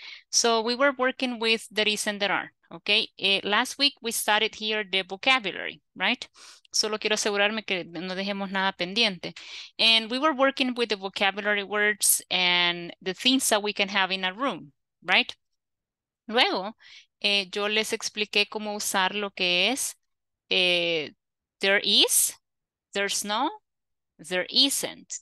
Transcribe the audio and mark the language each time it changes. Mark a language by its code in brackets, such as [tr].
[en] So we were working with there is and there are. Okay, last week we started here the vocabulary, right? [es] Solo quiero asegurarme que no dejemos nada pendiente. [en] And we were working with the vocabulary words and the things that we can have in a room, right? [es] Luego, yo les expliqué cómo usar lo que es [en] there is, there's no, there isn't.